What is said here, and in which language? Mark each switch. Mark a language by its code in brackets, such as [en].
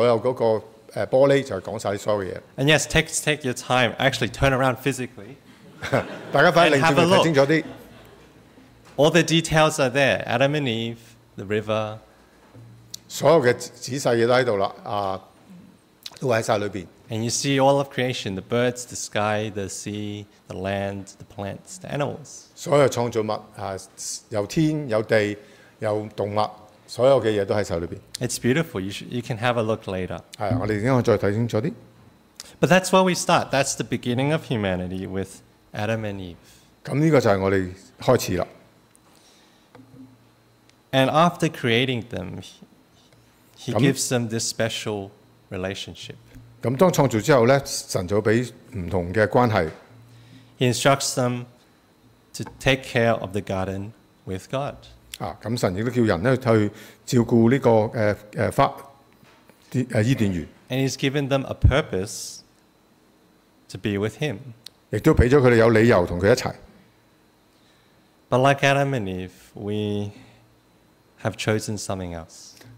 [yue] 咁其實Tony佢好中意一個嘅經文，因為如果大家睇喺後邊咧，其實你會見到所有嗰個玻璃就講曬所有嘢。 [en] And yes, take your time. Actually, turn around physically. [yue] 大家快啲靈轉睇清楚啲。 [en] All the details are there. Adam and Eve, the river. [yue] 所有的仔細嘢都喺度啦，啊，都喺曬裏邊。 [en] And you see all of creation, the birds, the sky, the sea, the land, the plants, the animals. [yue] 所有創造物，啊，有天有地有動物，所有嘅嘢都喺曬裏邊。 [en] It's beautiful. You can have a look later. [yue] 係，我哋應該再睇清楚啲。 [en] But that's where we start. That's the beginning of humanity with Adam and Eve. [yue] 咁呢個就係我哋開始啦。 [en] And after creating them, He gives them this special relationship. [yue] 咁當創造之後咧，神就俾唔同嘅關係。 [en] He instructs them to take care of the garden with God. [yue] 咁神亦都叫人咧去照顧呢個伊甸園。 [en] And He's given them a purpose to be with Him. [yue] 亦都俾咗佢哋有理由同佢一齊。 [en] But like Adam and Eve, we have chosen something else.